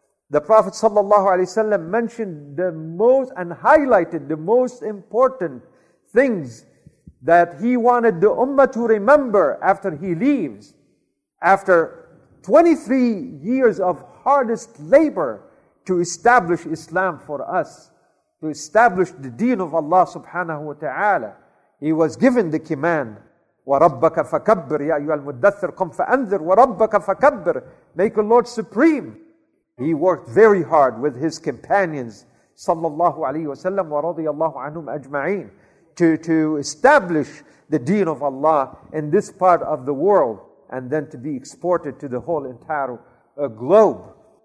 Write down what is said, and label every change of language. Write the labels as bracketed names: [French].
[English] The Prophet sallallahu alaihi wasallam mentioned the most and highlighted the most important things that he wanted the ummah to remember after he leaves, after 23 years of hardest labor to establish Islam for us, to establish the deen of Allah subhanahu wa ta'ala. He was given the command, [Arabic] وَرَبَّكَ فَكَبِّرْ يَا أَيُّهَا الْمُدَّثِّرْ قُمْ فَأَنذِرْ وَرَبَّكَ فَكَبِّرْ. [English] Make the Lord supreme. He worked very hard with his companions, sallallahu alayhi wa sallam, [Arabic] وَرَضِيَ اللَّهُ عَنْهُمْ أَجْمَعِينَ, [English] to establish the deen of Allah in this part of the world, and then to be exported to the whole entire globe.